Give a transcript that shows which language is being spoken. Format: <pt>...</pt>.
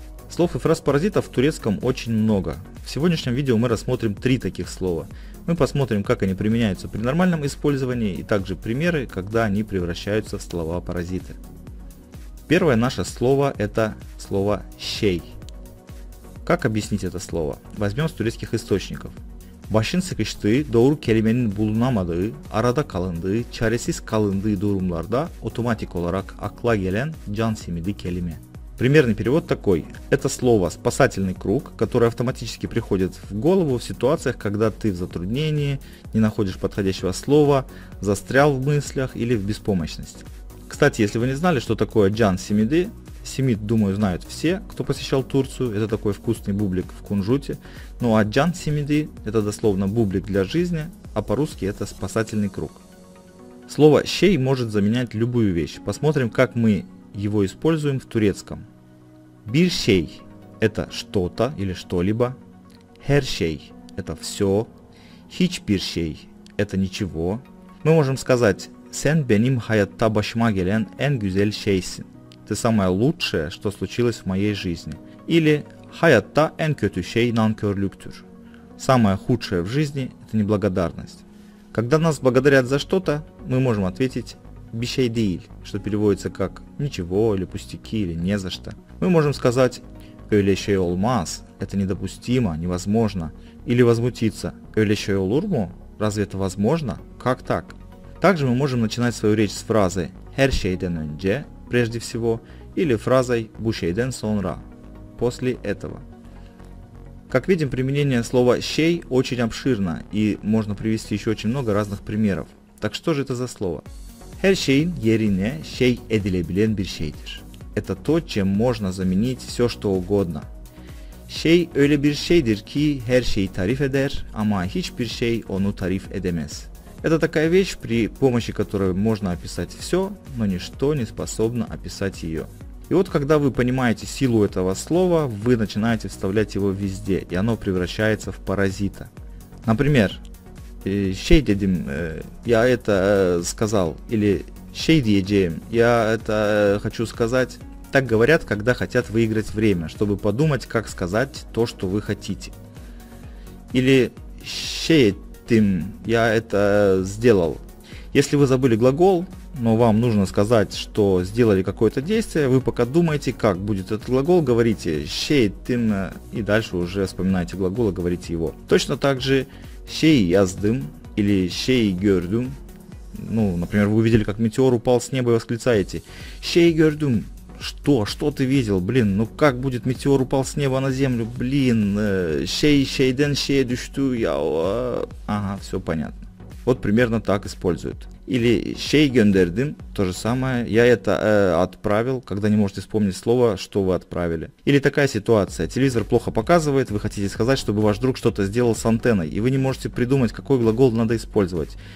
<ru>Слов и фраз-паразитов в турецком очень много. В сегодняшнем видео мы рассмотрим три таких слова. Мы посмотрим, как они применяются при нормальном использовании, и также примеры, когда они превращаются в слова-паразиты. Первое наше слово – это слово «щей». Как объяснить это слово? Возьмем с турецких источников.</ru> <tr>Başın sıkıştığı doğru kelimenin bulunamadığı, arada kalındığı, çaresiz kalındığı durumlarda otomatik olarak akla gelen can simidi kelime.</tr> <ru>Примерный перевод такой. Это слово «спасательный круг», которое автоматически приходит в голову в ситуациях, когда ты в затруднении, не находишь подходящего слова, застрял в мыслях или в беспомощности. Кстати, если вы не знали, что такое «джан симиди», симид, думаю, знают все, кто посещал Турцию. Это такой вкусный бублик в кунжуте. Ну а джан симиди – это дословно бублик для жизни, а по-русски это спасательный круг. Слово «щей» может заменять любую вещь. Посмотрим, как мы его используем в турецком.</ru> <tr>Bir şey</tr> <ru>– это что-то или что-либо.</ru> <tr>Her şey</tr> <ru>– это все.</ru> <tr>Hiçbir şey</tr> <ru>– это ничего. Мы можем сказать</ru> <tr>«Sen benim hayatta başıma gelen en güzel şeysin».</tr> <ru>Ты самое лучшее, что случилось в моей жизни. Или</ru> <tr>«Hayatta en kötü şey nankörlüktür».</tr> <ru>Самое худшее в жизни – это неблагодарность. Когда нас благодарят за что-то, мы можем ответить</ru> <tr>«Bir şey değil»,</tr> <ru>что переводится как «ничего» или «пустяки» или «не за что». Мы можем сказать</ru> <tr>«Öyle şey olmaz»</tr> <ru>– это недопустимо, невозможно. Или возмутиться</ru> <tr>«Öyle şey olur mu?</tr> <ru>Разве это возможно? Как так?» Также мы можем начинать свою речь с фразы</ru> <tr>«Her şeyden önce»</tr> <ru>– прежде всего, или фразой</ru> <tr>«bu şeyden sonra»</tr> <ru>– «после этого». Как видим, применение слова «şey» очень обширно, и можно привести еще очень много разных примеров. Так что же это за слово?</ru> <tr>Her şeyin yerine şey edilebilen bir şeydir.</tr> <ru>Это то, чем можно заменить все, что угодно.</ru> <tr>Şey öyle bir şeydir ki her şeyi tarif eder, ama hiçbir şey onu tarif edemez.</tr> <ru>Это такая вещь, при помощи которой можно описать все, но ничто не способно описать ее. И вот когда вы понимаете силу этого слова, вы начинаете вставлять его везде, и оно превращается в паразита. Например,</ru> <tr>«şey dedim,</tr> <ru>я это сказал», или</ru> <tr>«şey diyeceğim,</tr> <ru>я это хочу сказать». Так говорят, когда хотят выиграть время, чтобы подумать, как сказать то, что вы хотите. Или</ru> <tr>«şey tim,</tr> <ru>я это сделал». Если вы забыли глагол, но вам нужно сказать, что сделали какое-то действие, вы пока думаете, как будет этот глагол, говорите</ru> <tr>«şey tim»,</tr> <ru>и дальше уже вспоминаете глагол и говорите его. Точно так же</ru> <tr>«şey yazdım»</tr> <ru>или</ru> <tr>«şey gördüm».</tr> <ru>Ну, например, вы увидели, как метеор упал с неба и восклицаете</ru> <tr>«şey gördüm».</tr> <ru>Что? Что ты видел? Блин, ну как будет метеор упал с неба на землю? Блин,</ru> <tr>şey, şeyden, şey düştü,</tr> <ru>я... Ага, все понятно. Вот примерно так используют. Или</ru> <tr>şey gönderdim,</tr> <ru>то же самое. Я это отправил, когда не можете вспомнить слово, что вы отправили. Или такая ситуация. Телевизор плохо показывает, вы хотите сказать, чтобы ваш друг что-то сделал с антенной, и вы не можете придумать, какой глагол надо использовать.</ru>